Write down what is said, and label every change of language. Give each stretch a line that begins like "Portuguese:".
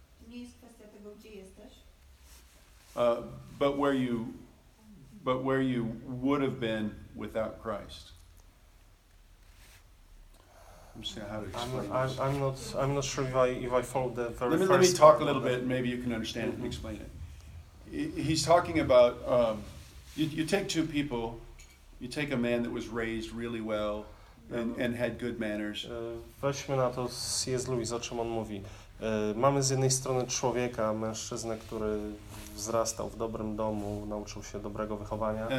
Polish: Nie jest kwestia tego, gdzie jesteś.
English: But where you would have been without Christ. I'm not sure if I followed the very first. Let me talk a little bit, and maybe you can understand it and explain it. He's talking about you take two people, you take a man that was raised really well and had good manners.
Polish: Weźmy na to C.S. Lewis, o czym on mówi. Mamy z jednej strony człowieka, mężczyznę, który wzrastał w dobrym domu, nauczył się dobrego wychowania,